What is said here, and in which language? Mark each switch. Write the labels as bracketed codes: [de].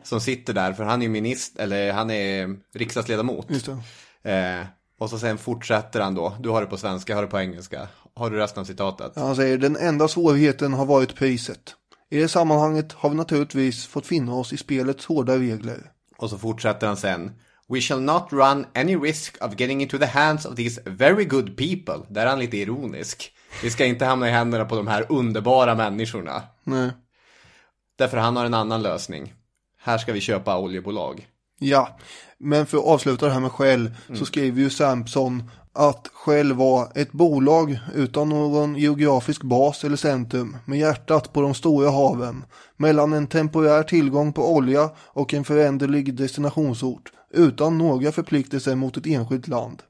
[sv] som sitter där, för han är minister, eller han är riksdagsledamot. Just det. Och så sen fortsätter han då, du har det på svenska, jag har det på engelska. Har du resten av citatet? Ja, han säger, den enda svårigheten har varit priset. I det sammanhanget har vi naturligtvis fått finna oss i spelets hårda regler. Och så fortsätter han sen. [en] We shall not run any risk of getting into the hands of these very good people. [sv] Där är han lite ironisk. Vi ska inte hamna i händerna på de här underbara människorna. Nej. Därför han har en annan lösning. Här ska vi köpa oljebolag. Ja, men för att avsluta det här med Shell så skriver ju Sampson att Shell var ett bolag utan någon geografisk bas eller centrum, med hjärtat på de stora haven, mellan en temporär tillgång på olja och en föränderlig destinationsort, utan några förpliktelser mot ett enskilt land.